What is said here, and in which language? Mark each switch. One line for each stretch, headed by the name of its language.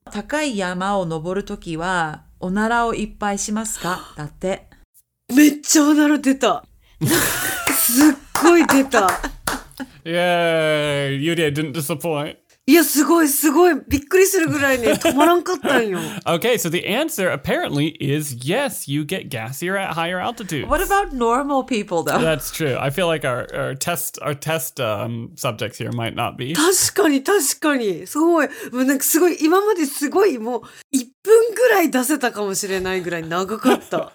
Japanese: 高い山を登るときはおならをいっぱいしますか？だって。めっちゃおなら出た。すっごい出た。
English: イエーイ、Yuria didn't disappoint。
Japanese: いや、すごいすごい、びっくりするぐらいね、止まらんかったんよ。
English: Okay, so the answer apparently is yes, you get gassier at higher altitudes. What about normal people though? That's true. I feel like our test subjects here might not be.
Japanese: 確かに確かに、すごい、もうなんかすごい、今まですごいもう1分ぐらい出せたかもしれないぐらい長かった。